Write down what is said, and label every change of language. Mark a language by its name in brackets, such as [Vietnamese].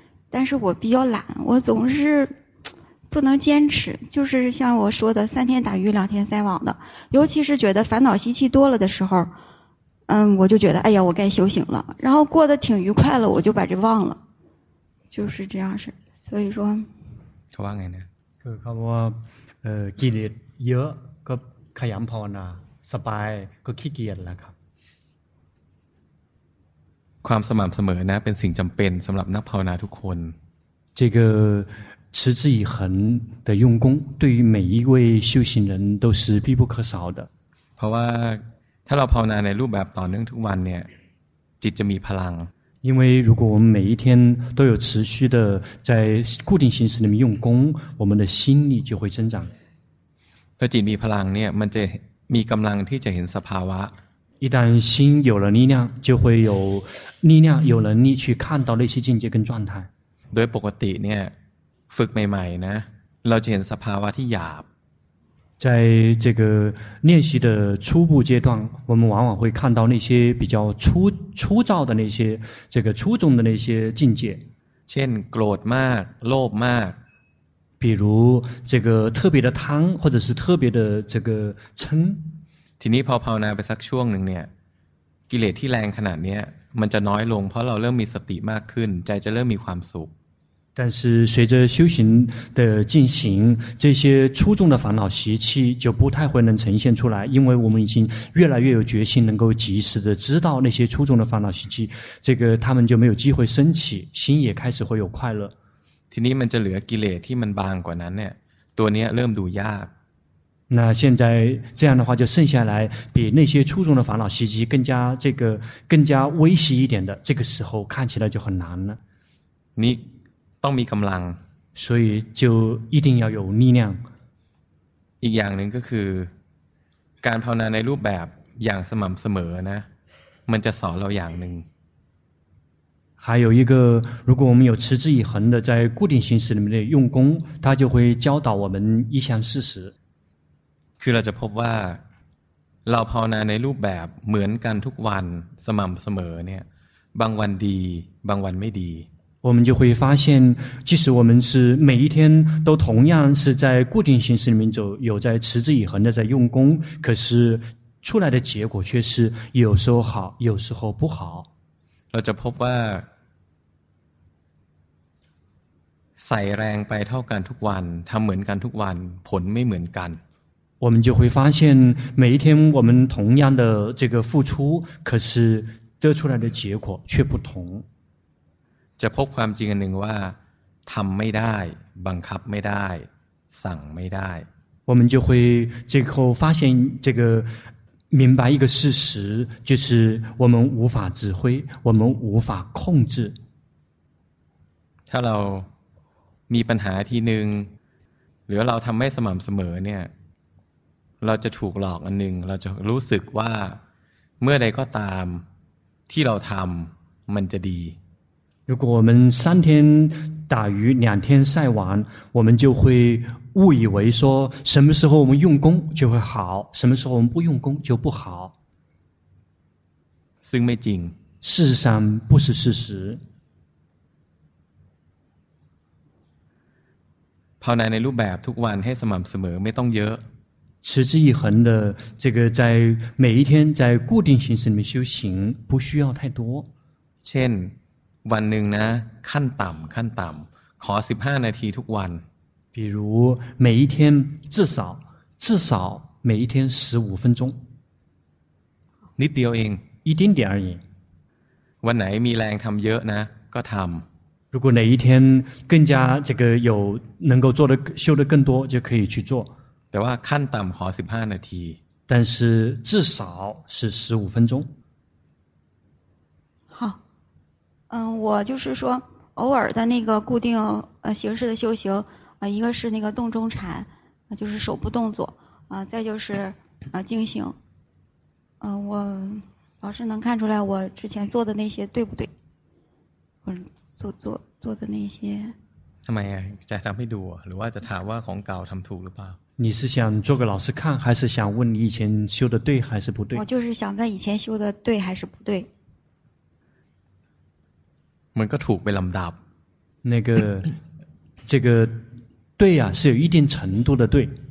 [Chinese] 但是我比较懒我总是不能坚持就是像我说的3天打鱼2天晒网的尤其是觉得烦恼习气多了的时候嗯，我就觉得哎呀，我该修行了，然后过得挺愉快了，我就把这忘了，就是这样事。所以说，他话 [Thai] ไง [Chinese] 呢？ [Thai] คือเขาว่าเออกิเลสเยอะก็ขยันภาวนาสบายก็ขี้เกียจแล้วครับ ความสม่ำเสมอนะเป็นสิ่งจำเป็นสำหรับนักภาวนาทุกคน [Chinese] 这个持之以恒的用功对于每一位修行人都是必不可少的 [Thai] เพราะว่าถ้าเราภาวนาในรูปแบบต่อเนื่องทุกวันเนี่ยจิตจะมีพลัง [Chinese] 因为如果我们每一天都有持续的在固定形式里面用功我们的心力就会增长 [Thai] ถ้าจิตมีพลังเนี่ยมันจะมีกำลังที่จะเห็นสภาวะ [Chinese] 一旦心有了力量就会有力量有能力去看到那些境界跟状态 [Thai] โดยปกติเนี่ยฝึกใหม่ๆนะเราจะเห็นสภาวะที่หยาบ [Chinese] 在这个练习的初步阶段我们往往会看到那些比较粗糙的那些这个初中的那些境界 [Thai] เช่นโกรธมากโลภมาก [Chinese] 比如这个特别的贪或者是特别的这个嗔 [Thai] ทีนี้พอภาวนาไปสักช่วงหนึ่งเนี่ยกิเลสที่แรงขนาดนี้มันจะน้อยลงเพราะเราเริ่มมีสติมากขึ้นใจจะเริ่มมีความสุข [Chinese] 但是随着修行的进行这些初中的烦恼习气就不太会能呈现出来因为我们已经越来越有决心能够及时的知道那些初中的烦恼习气这个他们就没有机会升起心也开始会有快乐 [Thai] ทีนี้มันจะเหลือกิเลสที่มันบางกว่านั้นเนี่ยตัวนี้เริ่มดูยาก [Chinese] 那现在这样的话就剩下来比那些初中的烦恼习气更加这个更加微细一点的这个时候看起来就很难了你 [Thai] ต้องมีกำลัง [Chinese] 所以就一定要有力量 [Thai] อีกอย่างหนึ่งก็คือการภาวนาในรูปแบบอย่างสม่ำเสมอนะมันจะสอนเราอย่างหนึ่ง [Chinese] 还有一个如果我们有持之以恒的在固定形式里面的用功它就会教导我们一项事实 [Thai] คือเราจะพบว่าเราภาวนาในรูปแบบเหมือนกันทุกวันสม่ำเสมอเนี่ยบางวันดีบางวันไม่ดี [Chinese] 我们就会发现即使我们是每一天都同样是在固定形式里面走有在持之以恒的在用功可是出来的结果却是有时候好有时候不好 [Thai] เราจะพบว่าใส่แรงไปเท่ากันทุกวันทำเหมือนกันทุกวันผลไม่เหมือนกัน [Chinese] 我们就会发现每一天我们同样的这个付出可是得出来的结果却不同 [Thai] จะพบความจริงอันหนึ่งว่าทำไม่ได้บังคับไม่ได้สั่งไม่ได้ [Chinese] 我们就会最后发现这个明白一个事实就是我们无法指挥我们无法控制 [Thai] ถ้าเรามีปัญหาทีหนึ่งหรือเราทำไม่สม่ำเสมอเนี่ยเราจะถูกหลอกอันหนึ่งเราจะรู้สึกว่าเมื่อใดก็ตามที่เราทำมันจะดี [Chinese] 如果我们三天打鱼两天晒网我们就会误以为说什么时候我们用功就会好什么时候我们不用功就不好 [Thai] ซึ่งไม่จริง [Chinese] 事实上不是事实 [Thai] ภาวนาในรูปแบบทุกวันให้สม่ำเสมอไม่ต้องเยอะ [Chinese] 持之以恒的这个在每一天在固定形式里面修行不需要太多 [Thai] เช่นวันหนึ่งนะขั้นต่ำขั้นต่ำขอ15นาทีทุกวัน [Chinese] 比如每一天至少每一天15分钟 [Thai] นิดเดียวเอง [Chinese] 一点点而已 [Thai] วันไหนมีแรงทำเยอะนะก็ทำ [Chinese] 如果哪一天更加这个有能够做的修的更多就可以去做 [Thai] แต่ว่าขั้นต่ำขอ15นาที [Chinese] 但是至少是15分钟嗯，我就是说，偶尔的那个固定形式的修行，一个是那个动中禅，就是手部动作，再就是静行。我老师能看出来我之前做的那些对不对？我做的那些。 [Thai] ทำไมอ่ะจะทำให้ดูหรือว่าจะถามว่าของเก่าทำถูกหรือเปล่า？ [Chinese] 你是想做个老师看，还是想问你以前修的对还是不对？我就是想在以前修的对还是不对。 [Thai] มันก็ถูกไปลำดับ [Chinese] 那个这个对呀是有一定程度的对